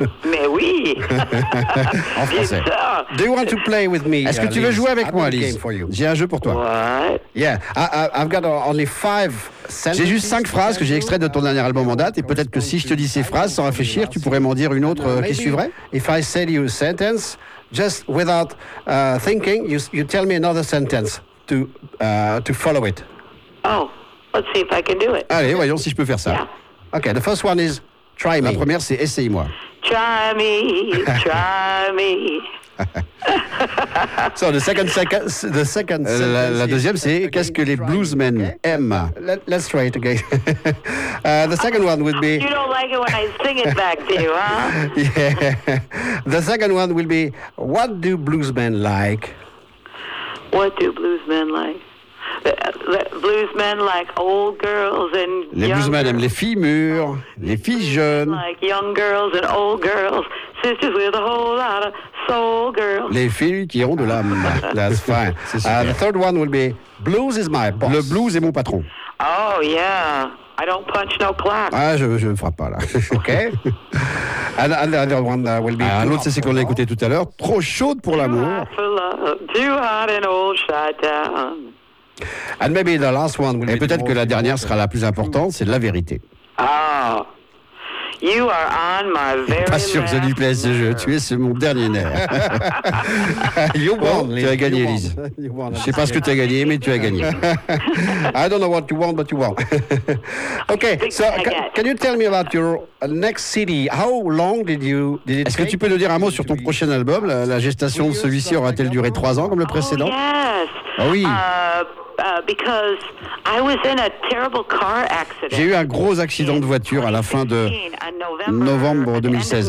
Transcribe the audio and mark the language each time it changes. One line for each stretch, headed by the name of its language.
French: Mais oui. En français.
English: Do you want to play with me?
French: Est-ce que tu veux jouer avec moi, Lise? J'ai un jeu pour toi.
English: What? Yeah, I've got only five.
French: J'ai juste cinq phrases que j'ai extraites de ton dernier album en date, et peut-être que si je te dis ces phrases sans réfléchir, tu pourrais m'en dire une autre qui suivrait.
English: If I say you a sentence, just without thinking, you tell me another sentence to follow it. Oh, well, let's see if I can do it.
French: Allez, voyons si je peux faire ça.
English: Yeah. Okay, the first one is try me.
French: La première, c'est essaye-moi.
English: Try me, try me. So the second
French: la deuxième, c'est again, qu'est-ce que les bluesmen
English: okay.
French: aiment?
English: Let's try it again. The second one would be... You don't like it when I sing it back to you, huh? Yeah. The second one will be, what do bluesmen like? What do bluesmen like? Bluesmen like old girls and
French: les bluesmen aiment les filles mûres, les filles jeunes.
English: Like young girls and old girls, sisters with a whole lot of... Soul girl.
French: Les filles qui ont de l'âme.
English: That's fine. The third one will be blues is my boss.
French: Le blues est mon patron.
English: Oh yeah. I don't punch no clock.
French: Ah, je ne frappe pas là.
English: OK. And the other one will be
French: l'autre, c'est ce qu'on a écouté tout à l'heure, trop chaude pour
English: too
French: l'amour.
English: Hot for love, too hot and old shut down. And maybe the last one will
French: et peut-être que la dernière sera la plus importante, c'est la vérité.
English: Ah. Oh. You are on my very
French: pas sûr que ça lui plaise ce jeu. Tu es mon dernier nerf.
English: You won,
French: tu as gagné, Lise. Je sais pas ce que tu as gagné, mais tu as gagné.
English: I don't know what you want, but you won. Okay, so can you tell me about your next CD? How long did you? Did
French: it Est-ce que tu peux nous dire un mot sur ton prochain album? La gestation de celui-ci aura-t-elle duré 3 ans comme le précédent?
English: Oh, yes.
French: Oh, oui.
English: Because I was in a terrible car accident.
French: J'ai eu un gros accident de voiture à la fin de novembre 2016.